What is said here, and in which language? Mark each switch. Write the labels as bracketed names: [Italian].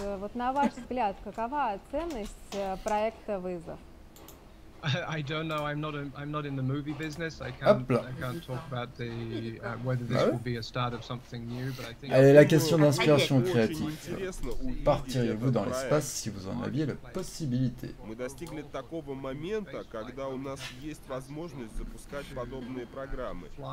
[Russian] Вот на ваш взгляд, какова ценность проекта «Вызов»? [English] I don't know. I'm not in the movie business. I can't talk about the whether this will be a start of something new. But I think. [French] Allez, la question d'inspiration créative. Partiriez-vous dans l'espace si vous en aviez la possibilité? [Russian] Мы достигли такого момента, когда у нас есть возможность запускать подобные программы.